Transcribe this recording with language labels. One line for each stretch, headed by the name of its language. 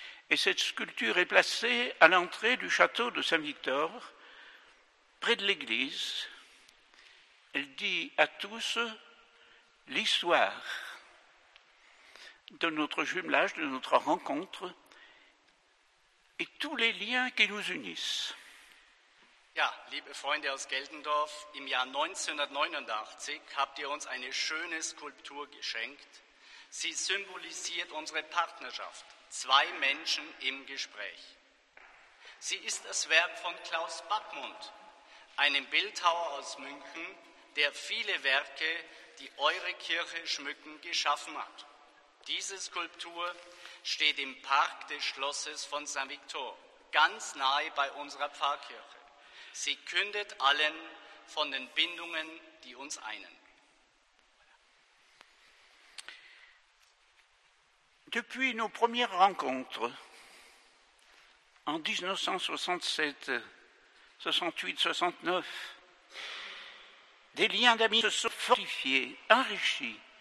French: Et cette sculpture est placée à l'entrée du château de Saint-Victor, près de l'église, elle dit à tous l'histoire de notre jumelage, de notre rencontre et tous les liens qui nous unissent.
German: Ja, liebe Freunde aus Geltendorf, im Jahr 1989 habt ihr uns eine schöne Skulptur geschenkt, Sie symbolisiert unsere Partnerschaft, zwei Menschen im Gespräch. Sie ist das Werk von Klaus Backmund, einem Bildhauer aus München, der viele Werke, die eure Kirche schmücken, geschaffen hat. Diese Skulptur steht im Park des Schlosses von St. Victor, ganz nahe bei unserer Pfarrkirche. Sie kündet allen von den Bindungen, die uns einen.
French: Depuis nos premières rencontres, en 1967, 68, 69, des liens d'amis se sont fortifiés, enrichis.